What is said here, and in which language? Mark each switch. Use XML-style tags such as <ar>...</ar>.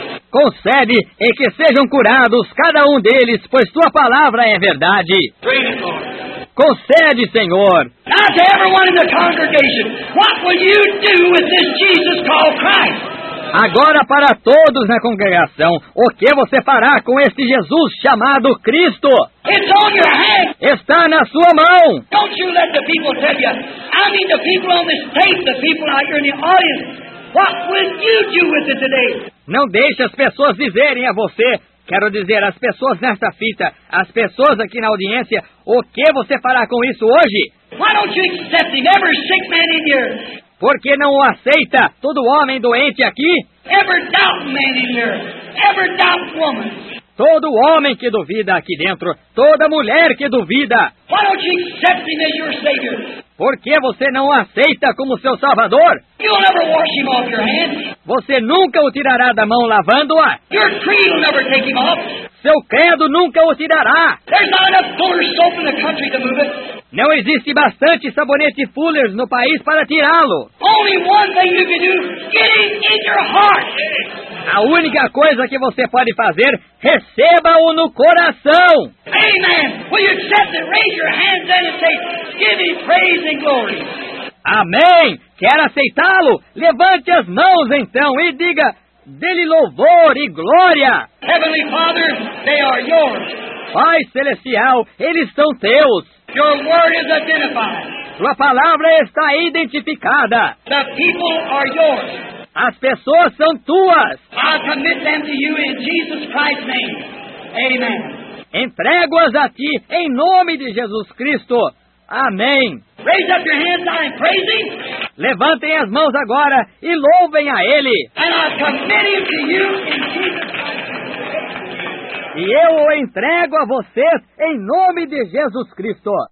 <pt>Concede e que sejam curados cada um deles, pois tua palavra é verdade. Concede, Senhor.</pt> <en>Now to everyone in the congregation, what will you do with this Jesus called Christ?</en> <pt>Agora para todos na congregação, o que você fará com este Jesus chamado Cristo?</pt> <en>It's on your hand.</en> <pt>Está na sua mão.</pt> <en>Don't you let the people tell you. I mean the people on this tape, the people out here in the audience. What will you do with it today?</en> <pt>Não deixe as pessoas dizerem a você. Quero dizer, as pessoas nesta fita, as pessoas aqui na audiência, o que você fará com isso hoje?</pt> <en>Why don't you accept him? Every sick man in here.</en> <pt>Por que não o aceita, todo homem doente aqui?</pt> <en>Every doubt man in here. Every doubt woman.</en> <pt>Todo homem que duvida aqui dentro, toda mulher que duvida.</pt> <en>Why don't you accept him as your savior?</en> <pt>Por que você não o aceita como seu salvador?</pt> <en>You'll never wash him off your hands.</en> <pt>Você nunca o tirará da mão lavando-a.</pt> <en>Your creed will never take him off.</en> <pt>Seu credo nunca o tirará.</pt> <en>There's not enough Fuller soap in the country to move it.</en> <pt>Não existe bastante sabonete Fuller no país para tirá-lo.</pt> <en>Only one thing you can do, get him in your heart.</en> <pt>A única coisa que você pode fazer, receba-o no coração.</pt> <en>Amen. Will you accept it? Raise your hands and say, give him praise and glory.</en> <pt>Amém. Quer aceitá-lo? Levante as mãos então e diga, dê-lhe louvor e glória.</pt> <en>Heavenly Father, they are yours.</en> <pt>Pai Celestial, eles são teus.</pt> <en>Your word is identified.</en> <pt>Tua palavra está identificada.</pt> <en>The people are yours.</en> <pt>As pessoas são tuas.</pt> <en>I commit them to you in Jesus Christ's name. Amen.</en> <pt>Entrego-as a ti em nome de Jesus Cristo. Amém.</pt> <en>Raise up your hands, I am praising.</en> <pt>Levantem as mãos agora e louvem a Ele.</pt> <en>And I commit him to you in Jesus Christ.</en> <pt>E eu o entrego a vocês em nome de Jesus Cristo.</pt>